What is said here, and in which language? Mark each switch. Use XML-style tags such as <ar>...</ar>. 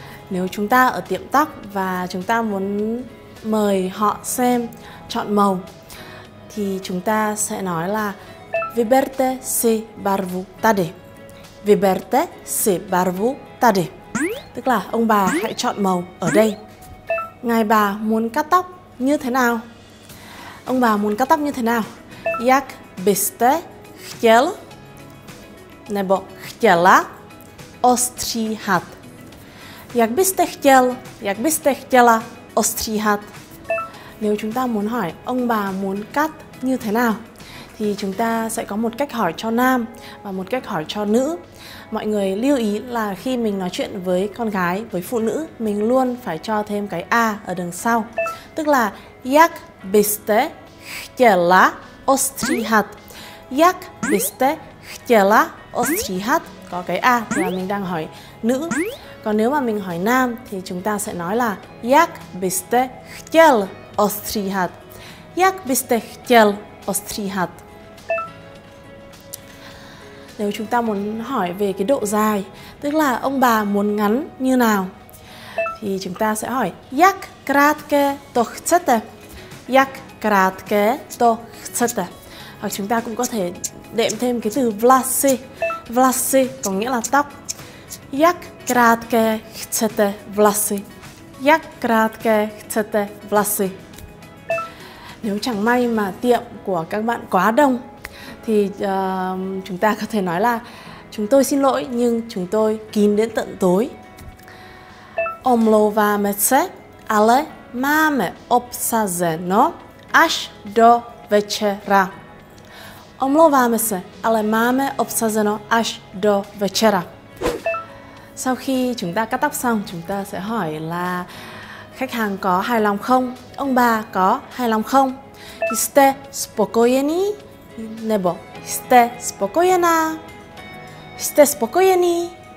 <vi>Nếu chúng ta ở tiệm tóc và chúng ta muốn mời họ xem, chọn màu, thì chúng ta sẽ nói là</vi> <cs>Vyberte si barvu tady. Vyberte si barvu tady.</cs> <vi>Tức là ông bà hãy chọn màu ở đây. Ngài bà muốn cắt tóc như thế nào? Ông bà muốn cắt tóc như thế nào?</vi> <cs>Jak byste chtěl nebo chtěla ostříhat? Jak byste chtěl, jak byste chtěla ostříhat?</cs> <vi>Nếu chúng ta muốn hỏi ông bà muốn cắt như thế nào thì chúng ta sẽ có một cách hỏi cho nam và một cách hỏi cho nữ. Mọi người lưu ý là khi mình nói chuyện với con gái, với phụ nữ, mình luôn phải cho thêm cái A ở đằng sau. Tức là</vi> <cs>Jak byste chtěla ostříhat? Jak byste chtěla ostříhat?</cs> <vi>Có cái A thì là mình đang hỏi nữ. Còn nếu mà mình hỏi nam thì chúng ta sẽ nói là</vi> <cs>Jak byste chtěl ostříhat? Jak byste chtěl ostříhat?</cs> <vi>Nếu chúng ta muốn hỏi về cái độ dài, tức là ông bà muốn ngắn như nào, thì chúng ta sẽ hỏi</vi> <cs>Jak krátké to chcete? Jak krátké to chcete?</cs> <vi>Hoặc chúng ta cũng có thể đệm thêm cái từ vlasy.</vi> <cs>Vlasy</cs> <vi>có nghĩa là tóc.</vi> <cs>Jak krátké chcete vlasy? Jak krátké chcete vlasy?</cs> <vi>Nếu chẳng may mà tiệm của các bạn quá đông thì chúng ta có thể nói là chúng tôi xin lỗi nhưng chúng tôi kín đến tận tối.</vi> <cs>Omlouváme se, ale máme obsazeno až do večera. Omlouváme se, ale máme obsazeno až do večera.</cs> <vi>Sau khi chúng ta cắt tóc xong, chúng ta sẽ hỏi là khách hàng có hài lòng không? Ông bà có hài lòng không?</vi> <cs>Jste spokojení? Nebo jste spokojená? Jste spokojený?</cs>